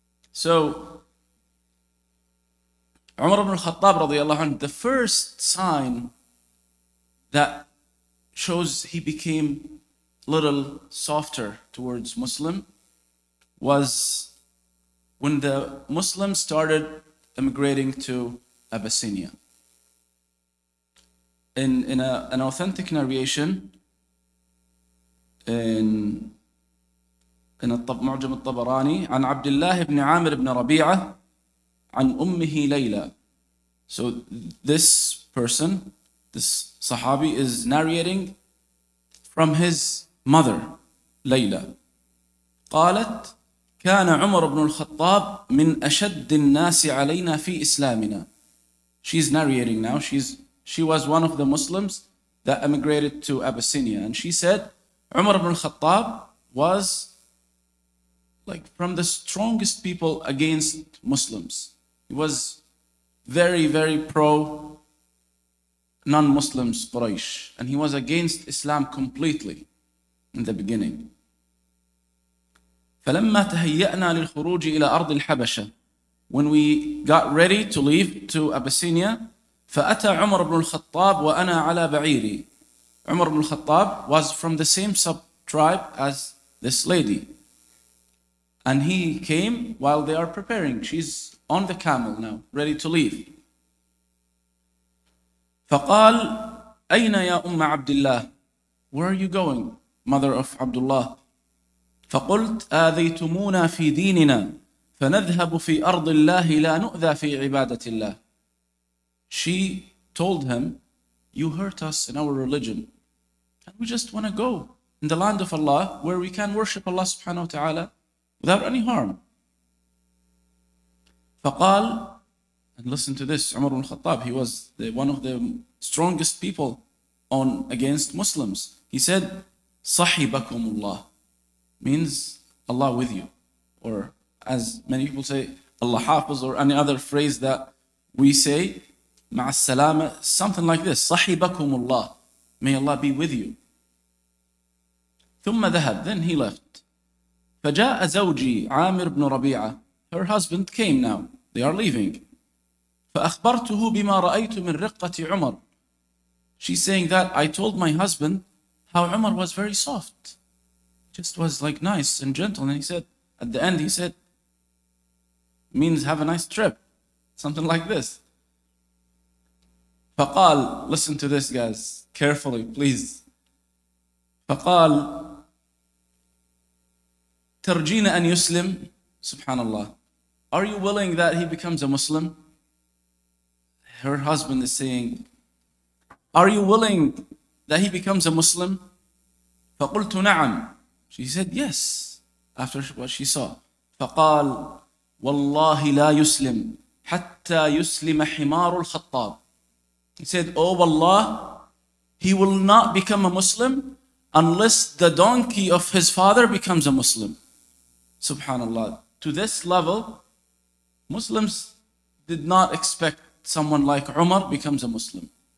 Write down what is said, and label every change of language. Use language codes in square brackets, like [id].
[en] So, Umar ibn al-Khattab, radiallahu anhu, the first sign that shows he became a little softer towards Muslim was when the Muslims started emigrating to Abyssinia. In an authentic narration, in Mu'jam al-Tabarani, [ar] عن عبد الله بن عامر بن ربيعة عن أمه ليلى. [en] So this person, this Sahabi, is narrating from his mother, ليلى. [ar] قالت كان عمر بن الخطاب من أشد الناس علينا في إسلامنا. [en] She's narrating now. She was one of the Muslims that emigrated to Abyssinia. And she said, Umar ibn al-Khattab was like from the strongest people against Muslims. He was very, very pro non-Muslims, Quraysh, and he was against Islam completely in the beginning. [ar] فَلَمَّا تَهَيَّأْنَا لِلْخُرُوجِ إِلَىٰ أَرْضِ الْحَبَشَةِ [en] When we got ready to leave to Abyssinia, [ar] فَأَتَى عُمَرْ بْنُ الْخَطَّابِ وَأَنَا عَلَىٰ بَعِيرِ [en] Umar ibn al-Khattab was from the same sub-tribe as this lady. And he came while they are preparing. She's on the camel now, ready to leave. [ar] فقال أين يا أم عبد الله [en] Where are you going, mother of Abdullah? [ar] فقلت آذيتمونا في ديننا فنذهب في أرض الله لا نؤذى في عبادة الله [en] She told him, you hurt us in our religion. And we just want to go in the land of Allah where we can worship Allah subhanahu wa ta'ala without any harm. فقال And listen to this, Umar ibn Khattab, he was one of the strongest people against Muslims. He said, [ar] صَحِبَكُمُ اللَّهِ [en] means Allah with you. Or as many people say, Allah hafiz or any other phrase that we say, [ar] مَعَ السَّلَامَ [en] something like this, [ar] صَحِبَكُمُ اللَّهِ [en] may Allah be with you. [ar] ثُمَّ ذَهَبْ [en] then he left. [ar] فَجَاءَ زَوْجِي عَامِرْ بْنُ رَبِيعَ [en] her husband came now, they are leaving. [ar] فأخبرته بما رأيت من رقة عمر. [en] She's saying that I told my husband how Umar was very soft. Just was like nice and gentle. And he said, at the end, he said, means have a nice trip. Something like this. فقال, listen to this guys, carefully, please. [ar] فقال, ترجين أن يسلم, سبحان الله. [en] Are you willing that he becomes a Muslim? Her husband is saying, Are you willing that he becomes a Muslim? [ar] فقلت نعم. [en] She said, yes, after what she saw. [ar] فقال, والله لا يسلم حتى يسلم حمار الخطاب. [en] He said, oh, والله, he will not become a Muslim unless the donkey of his father becomes a Muslim. Subhanallah. To this level, Muslims did not expect someone like Umar becomes a Muslim.